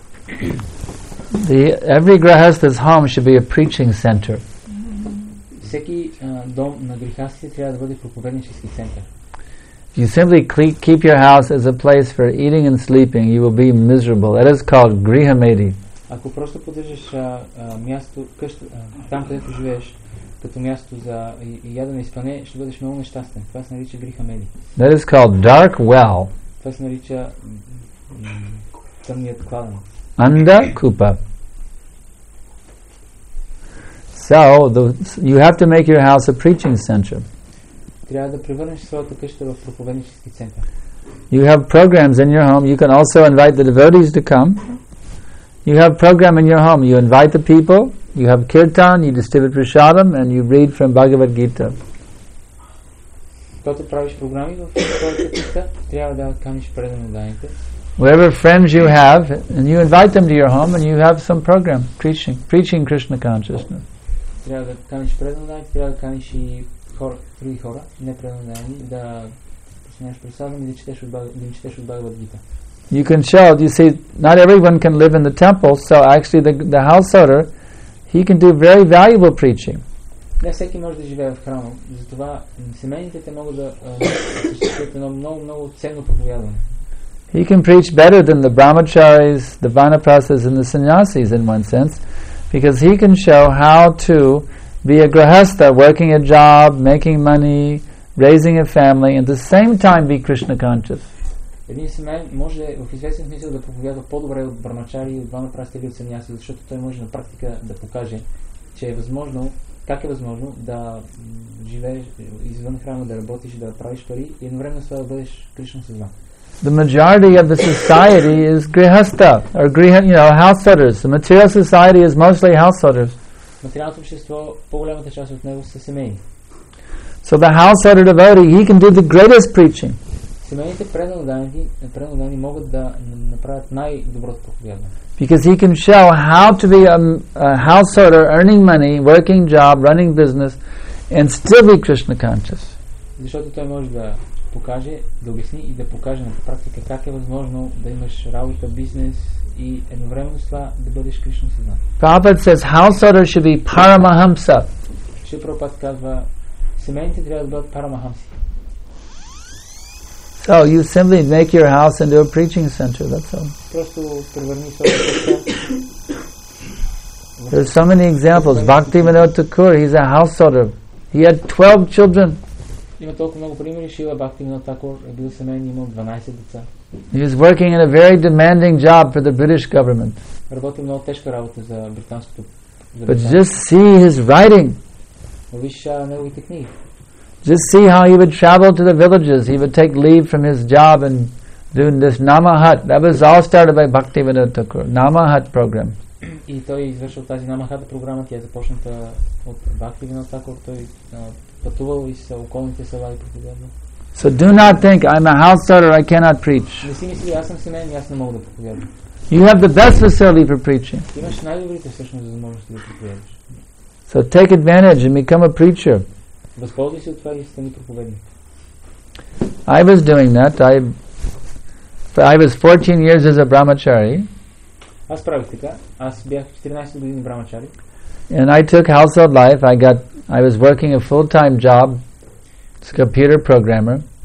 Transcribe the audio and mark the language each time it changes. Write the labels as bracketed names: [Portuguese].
[English] The every grihastha's home should be a preaching center. [Bulgarian] Всеки дом на грихастите трябва да бъде проповеднически център. [English] If you simply keep your house as a place for eating and sleeping, you will be miserable. That is called grihamedi. [Bulgarian] Ако просто поддържаш място къща там където живееш като място за ядене и спане, ще бъдеш много нещастен. Това се нарича грихамеди. [English] That is called dark well. [Bulgarian] Това се нарича тъмният кладен. [Sanskrit] Anda kupa. [English] So you have to make your house a preaching center. [Bulgarian] Трябва да превърнеш своята къща в проповеднически център. [English] You have programs in your home. You can also invite the devotees to come. You have program in your home. You invite the people. You have kirtan. You distribute prasadam and you read from Bhagavad Gita. [Bulgarian] Когато правиш програми в своята къща, трябва да каниш преданите. [English] Whatever friends you have, and you invite them to your home, and you have some program preaching Krishna consciousness. [Bulgarian] Трябва да каниш преданите, трябва да каниш и други хора, непреданени, да посещаш прасадам и да четеш от Бхагавад Гита. [English] You can show. You see, not everyone can live in the temple, so actually, the householder, he can do very valuable preaching. [Bulgarian] Не всеки може да живее в храма, затова семейните те могат да осъществят едно много много ценно проповядване. [English] He can preach better than the brahmacharis, the vanaprasas, and the sannyasis in one sense, because he can show how to be a grihastha, working a job, making money, raising a family, and at the same time be Krishna conscious. [Bulgarian] Един семейен може в известен смисъл да проповядва по-добре от брамачари, от ванапрасти или от саньяси, защото той може на практика да покаже, че е възможно, как е възможно да живееш извън храма, да работиш, да правиш пари и едновременно с това да бъдеш Кришна съзнан. [English] The majority of the society is grihastha, or householders. The material society is mostly householders. [Bulgarian] Материалното общество, по-голямата част от него са семейни. [English] So the householder devotee, he can do the greatest preaching. [Bulgarian] Семейните преданодани могат да направят най-доброто проповядване. [English] Because he can show how to be a householder, earning money, working job, running business, and still be Krishna conscious. [Bulgarian] Защото той може да покаже, да обясни и да покаже на практика как е възможно да имаш работа, бизнес и едновременно с това да бъдеш Кришна съзнат. [English] Prabhupada says householder should be paramahamsa. [Bulgarian] Шрила Прабхупада казва, семейните трябва да бъдат парамахамси. [English] So you simply make your house into a preaching center, that's all. [Bulgarian] Просто превърни се. [English] There's so many examples. Bhakti Vinod Thakur, he's a householder. He had 12 children. [Bulgarian] Има толкова много примери. Шрила Бхакти Винод Такур е бил семейен, имал 12 деца. [English] He was working in a very demanding job for the British government. [Bulgarian] Работи много тежка работа за британското. [English] But just see his writing. [Bulgarian] Виж неговите книги. [English] Just see how he would travel to the villages. He would take leave from his job and do this Namahat. That was all started by Bhakti Vinod Thakur. Namahat program. [Bulgarian] И той извършил тази Namahat програма, тя е започната от Бхакти Винод Такур. Той пътувал из околните села и проповядвал. [English] So do not think I'm a householder, I cannot preach. [Bulgarian] Не си мисли, аз съм семейен, аз не мога да проповядвам. [English] You have the best facility for preaching. [Bulgarian] Имаш най-добрите всъщност възможности да проповядваш. [English] So take advantage and become a preacher. [Bulgarian] Възползвай се от това и стани проповедник. [English] I was doing that. I was 14 years as a brahmachari. [Bulgarian] Аз правих така. Аз бях 14 години брамачари. [English] And I took household life. I was working a full-time job as a computer programmer.